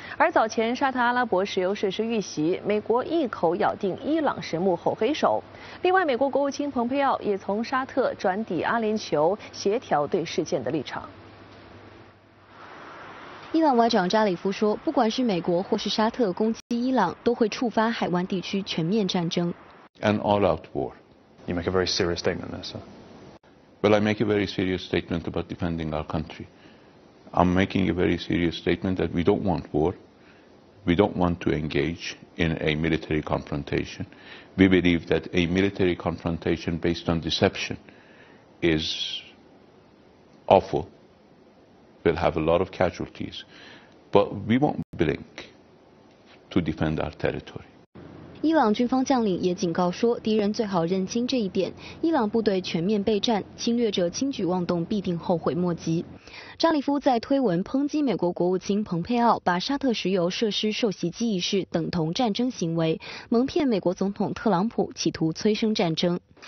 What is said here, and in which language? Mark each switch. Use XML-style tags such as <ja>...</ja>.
<zh>而早前沙特阿拉伯石油设施遇袭，美国一口咬定伊朗是幕后黑手。另外，美国国务卿蓬佩奥也从沙特转抵阿联酋，协调对事件的立场。伊朗外长扎里夫说，不管是美国或是沙特攻击伊朗，都会触发海湾地区全面战争。</zh> <en>An all-out war. You make a very serious statement there, sir. Well, I make a very serious statement about defending our country. I'm making a very serious statement that we don't want war. We don't want to engage in a military confrontation. We believe that a military confrontation based on deception is awful. Will have a lot of casualties, but we won't blink to defend our territory.</en> <zh>伊朗军方将领也警告说，敌人最好认清这一点。伊朗部队全面备战，侵略者轻举妄动，必定后悔莫及。扎里夫在推文抨击美国国务卿蓬佩奥把沙特石油设施受袭击一事等同战争行为，蒙骗美国总统特朗普，企图催生战争。</zh>